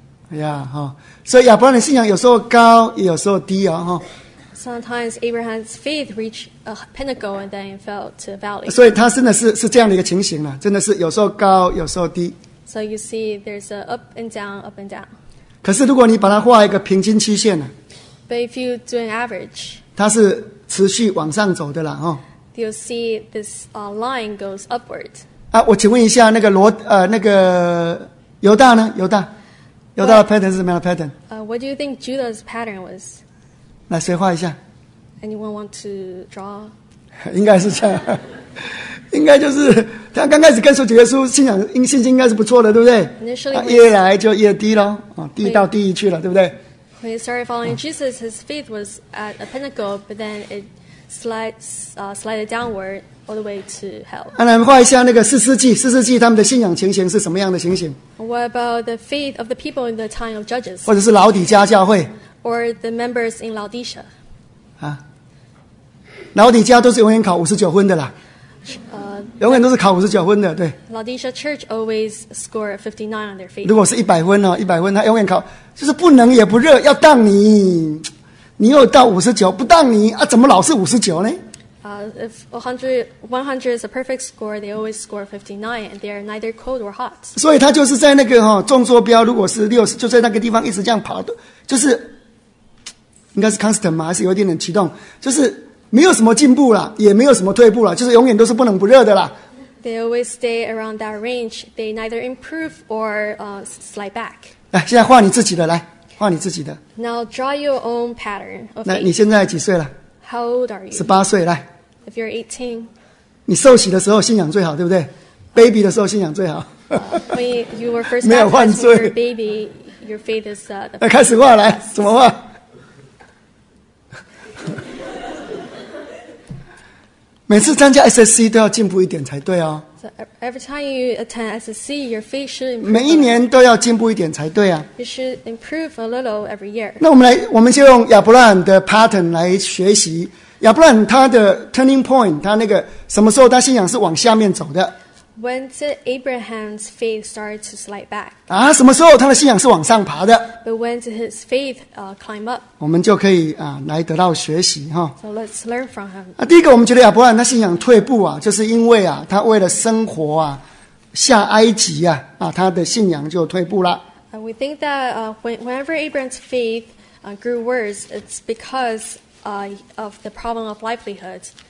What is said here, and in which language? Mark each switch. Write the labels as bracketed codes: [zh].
[zh] 哎呀，哈，所以亚伯拉罕的信仰有时候高，也有时候低啊、哦，哈。 [en] Sometimes Abraham's faith reached a pinnacle and then fell to a valley. [zh] 所以他真的是这样的一个情形了、啊，真的是有时候高，有时候低。 [en] So you see, there's a up and down, up and down. [zh] 可是如果你把它画一个平均曲线呢 [en] ？But if you do an average, [zh] 它是持续往上走的啦，哦。 [en] You'll see this line goes upward. [zh] 啊，我请问一下，那个罗那个犹大呢？犹大，犹大的 pattern 是什么样的 pattern？ [en] What do you think Judah's pattern was? [zh] 来，谁画一下 [en] ？Anyone want to draw? [zh] 应该是这样。应该就是他刚开始跟随主耶稣，信仰信心应该是不错的，对不对？啊、越来就越低喽，啊，低到地狱去了，对不对 [en] ？When he started following Jesus, his faith was at a pinnacle, but then it slided downward all the way to hell. [zh] 那我们画一下那个四世纪他们的信仰情形是什么样的情形 [en] ？What about the faith of the people in the time of Judges？ [zh] 或者是老底家教会 [en] ？Or the members in Laodicea？ [zh] 啊，老底家都是永远考59分的啦。永远都是考59分的，对。 [en] Laodicea Church always score 59 on their faith. [zh] 如果是100分哦， 100分他永远考，就是不冷也不热，要当你，你又到59，不当你啊，怎么老是59呢？ [en] If 100 is a perfect score, they always score 59, and they are neither cold or hot. [zh] 所以他就是在那个哈、哦、纵坐标，如果是60，就在那个地方一直这样跑，就是应该是 constant 吗？还是有一点点启动，就是。没有什么进步了，也没有什么退步了，就是永远都是不冷不热的啦。 [en] They always stay around that range. They neither improve or slide back. [zh] 来，现在画你自己的，来，画你自己的。 [en] Now draw your own pattern. [zh] 来，你现在几岁了 [en] ？How old are you? [zh] 18岁，来。 [en] If you're 18. [zh] 你受洗的时候信仰最好，对不对 ？Baby 的时候信仰最好。 [en] When you were first baptized when you were a baby, your faith is the. [zh] 来，开始画，来，怎么画？每次参加 SSC 都要进步一点才对哦。 [en] So every time you attend SSC, your faith should improve. [zh] 每一年都要进步一点才对啊。 [en] You should improve a little every year. [zh] 那我们就用亚伯拉罕的 pattern 来学习。亚伯拉罕他的 turning point， 他那个什么时候他信仰是往下面走的 [en] ？When did Abraham's faith start to slide back？ [zh] 啊，什么时候他的信仰是往上爬的 [en] ？But when did his faith climb up？ [zh] 我们就可以啊来得到学习哈。 [en] So let's learn from him。 [zh] 啊，第一个我们觉得亚伯拉罕他信仰退步啊，就是因为啊他为了生活啊下埃及啊啊他的信仰就退步了。 [en] And we think that whenever Abraham's faith grew worse, it's because of the problem of livelihood.